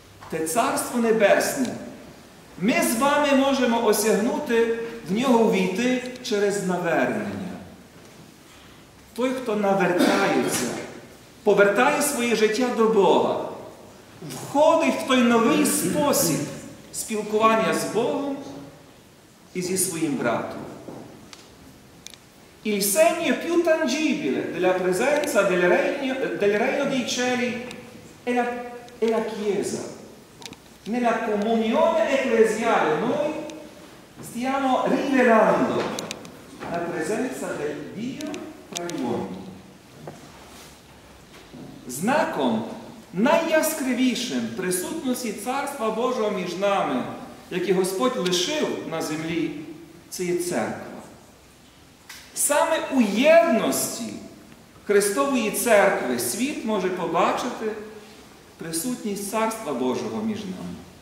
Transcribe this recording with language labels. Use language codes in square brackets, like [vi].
[uk] Те Царство Небесне ми з вами можемо осягнути, в нього увійти через навернення. Той, хто навертається, повертає своє життя до Бога, входить в той новий спосіб спілкування з Богом і зі своїм братом. [it] Il segno più tangibile della presenza del regno dei cieli è la Chiesa. Nella comunione ecclesiale noi stiamo rivelando la presenza del Dio tra gli uomini. [uk] Знаком найяскравішим присутності Царства Божого між нами, яке Господь лишив на землі, це є Церква. Саме у єдності Христової Церкви світ може побачити присутність Царства Божого між нами.